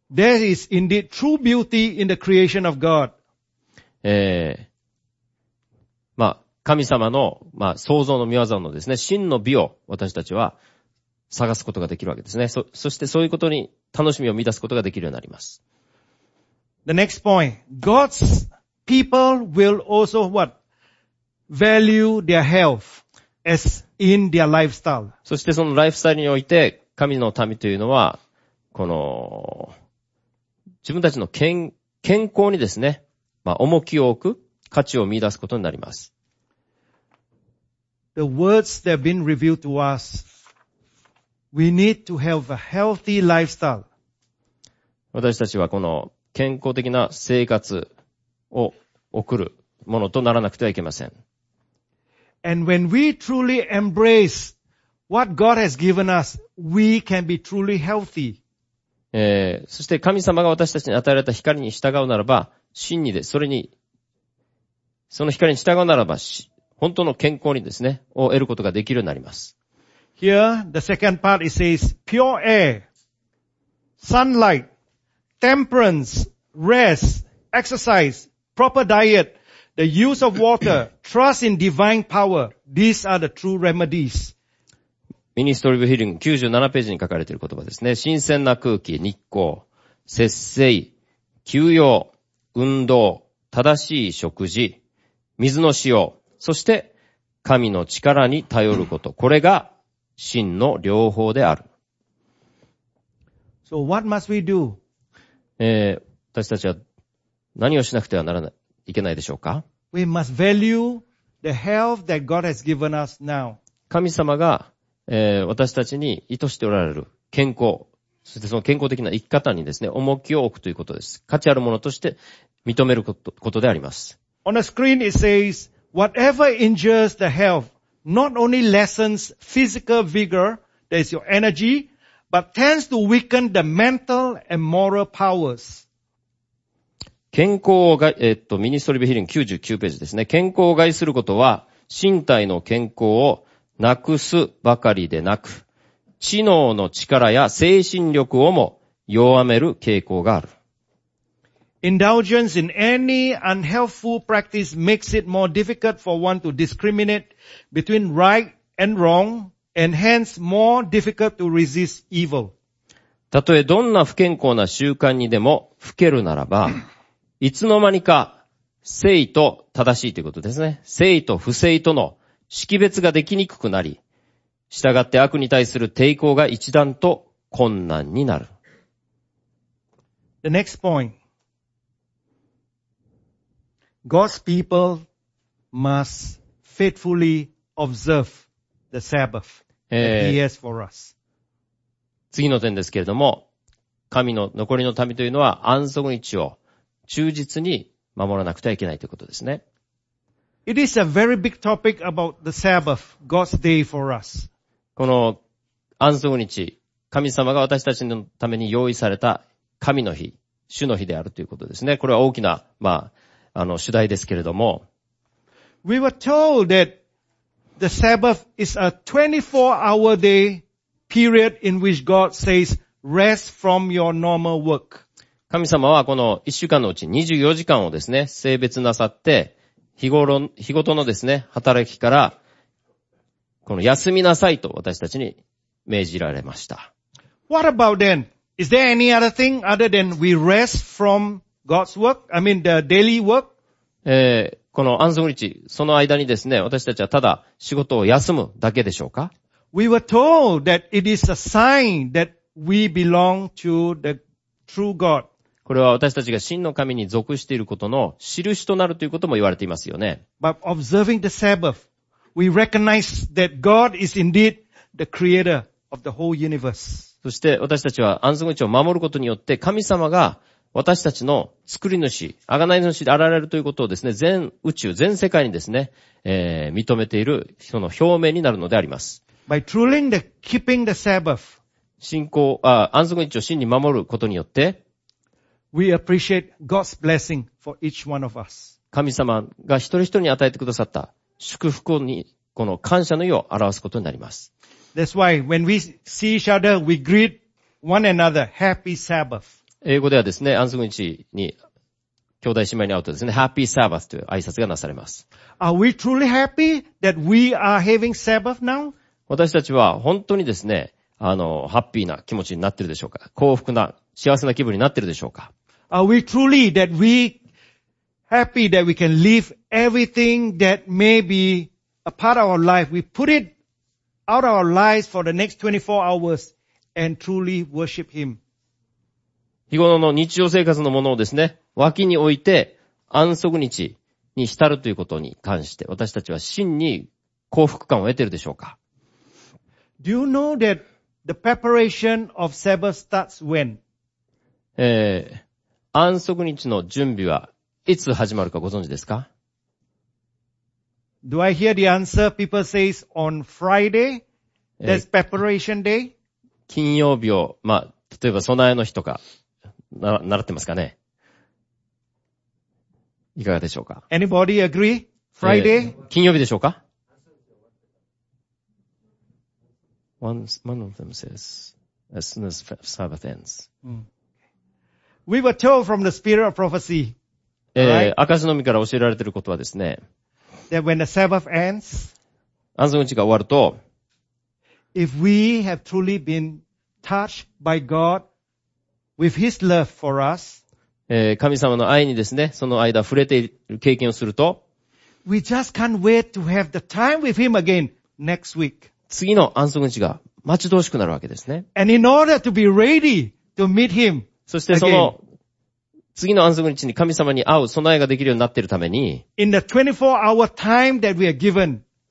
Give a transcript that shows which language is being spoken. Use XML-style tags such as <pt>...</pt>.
<en>There is indeed true beauty in the creation of God.</en> <ja>まあ、神様の、まあ、創造の御業のですね、真の美を私たちは探すことができるわけですね。そしてそういうことに楽しみを見出すことができるようになります。</ja> <en>The next point. God's people will also what? Value their health as in their lifestyle.</en> <ja>そしてそのライフスタイルにおいて、神の民というのは、この、自分たちの健康にですね、まあ、重きを置く価値を見出すことになります。</ja> <en>The words that have been revealed to us, we need to have a healthy lifestyle.</en> <ja>私たちはこの健康的な生活を送るものとならなくてはいけません。</ja> <en>And when we truly embrace what God has given us, we can be truly healthy.</en> <ja>そして神様が私たちに与えられた光に従うならば、真にで、それに、その光に従うならば、本当の健康にですね、を得ることができるようになります。</ja> <en>Here, the second part it says, pure air, sunlight, temperance, rest, exercise, proper diet, the use of water, trust in divine power. These are the true remedies.</en> <ja>Ministry of Healing 97ページに書かれている言葉ですね。新鮮な空気、日光、節制、休養、運動、正しい食事、水の使用、そして神の力に頼ること、これが真の療法である。</ja> <en>So what must we do?</en> <ja>私たちは何をしなくてはならない、いけないでしょうか。</ja> <en>We must value the health that God has given us now.</en> <ja>神様が、私たちに意図しておられる健康、そしてその健康的な生き方にですね、重きを置くということです。価値あるものとして認めることであります。</ja> <en>On the screen it says. Whatever injures the health, not only lessens physical vigor, that is your energy, but tends to weaken the mental and moral powers.</en> <ja>健康を害、ミニストリビヒリン99ページですね。健康を害することは、身体の健康をなくすばかりでなく、知能の力や精神力をも弱める傾向がある。</ja> <en>Indulgence in any unhealthful practice makes it more difficult for one to discriminate between right and wrong, and hence more difficult to resist evil.</en> <ja>たとえどんな不健康な習慣にでもふけるならば、いつの間にか正と正しいということですね。正と不正との識別ができにくくなり、したがって悪に対する抵抗が一段と困難になる。</ja> <en>The next point. God's people must faithfully observe the Sabbath that He has for us.</en> <ja>次の点ですけれども、神の残りの民というのは安息日を忠実に守らなくてはいけないということですね。</ja> <en>It is a very big topic about the Sabbath, God's day for us.</en> <ja>この安息日、神様が私たちのために用意された神の日、主の日であるということですね。これは大きな、まあ、主題ですけれども。</ja> <en>We were told that the Sabbath is a 24-hour day period in which God says, rest from your normal work.</en> <ja>神様はこの1週間のうち24時間をですね、性別なさって、日ごとのですね、働きから、この休みなさいと私たちに命じられました。</ja> <en>What about then? Is there any other thing other than we rest from God's work? I mean, the daily work?</en> <ja>この安息日、その間にですね、私たちはただ仕事を休むだけでしょうか?</ja> <en>We were told that it is a sign that we belong to the true God.</en> <ja>これは私たちが真の神に属していることの印となるということも言われていますよね。</ja> <en>But observing the Sabbath, we recognize that God is indeed the creator of the whole universe.</en> <ja>そして私たちは安息日を守ることによって神様が私たちの作り主、贖い主であられるということをですね、全宇宙、全世界にですね、認めている人の表明になるのであります。</ja> <en>By truly keeping the Sabbath,</en> <ja>信仰、安息日を真に守ることによって、</ja> <en>We appreciate God's blessing for each one of us.</en> <ja>神様が一人一人に与えてくださった祝福にこの感謝の意を表すことになります。</ja> <en>That's why when we see each other, we greet one another, Happy Sabbath.</en> <ja>英語ではですね、安息日に兄弟姉妹に会うとですね、</ja> <en>Happy Sabbath</en> <ja>という挨拶がなされます。</ja> <en>Are we truly happy that we are having Sabbath now?</en> <ja>私たちは本当にですね、ハッピーな気持ちになっているでしょうか？幸福な、幸せな気分になっているでしょうか？</ja> <en>Are we truly that we happy that we can leave everything that may be a part of our life? We put it out of our lives for the next 24 hours and truly worship Him.</en> <ja>日頃の日常生活のものをですね、脇に置いて安息日に浸るということに関して、私たちは真に幸福感を得ているでしょうか？</ja> <en>Do you know that the preparation of Sabbath starts when?</en> <ja>安息日の準備はいつ始まるかご存知ですか？</ja> <en>Do I hear the answer? People says on Friday, that's preparation day.</en> <ja>金曜日を、まあ、例えば備えの日とか、習ってますかね？いかがでしょうか？</ja> <en>Anybody agree? Friday?</en> <ja>金曜日でしょうか？</ja> <en>One of them says, as soon as Sabbath ends.、うん、 We were told from the spirit of prophecy.</en> <ja>証の御から教えられていることはですね、</ja> <en>that when the Sabbath ends,</en> <ja>安息日が終わると、</ja> <en>if we have truly been touched by God with His love for us,</en> <ja>神様の愛にですね、その間触れている経験をすると、</ja> <en>we just can't wait to have the time with Him again next week.</en> <ja>次の安息日が待ち遠しくなるわけですね。</ja> <en>And in order to be ready to meet Him,</en> <ja>そしてその次の安息日に神様に会う備えができるようになっているために、</ja> <en>In the 24 hour time that we are given,</en>